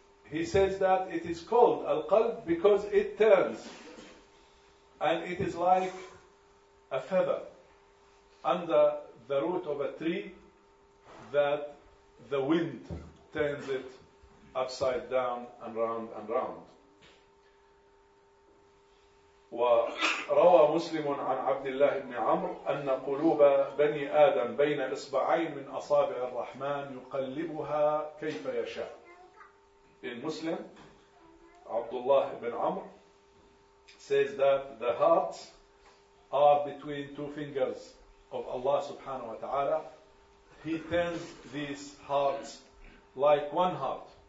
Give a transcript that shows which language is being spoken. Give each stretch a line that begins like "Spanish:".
English: He says that it is called al-qalb because it turns, and it is like a feather under the root of a tree that the wind turns it upside down and round and round.
Arabic: وروى مسلم عن عبد الله بن عمرو أن قلوب بني آدم بين إصبعين من أصابع الرحمن يقلبها كيف يشاء.
English: In Muslim, Abdullah ibn Amr says that the hearts are between two fingers of Allah subhanahu wa ta'ala. He turns these hearts like one heart.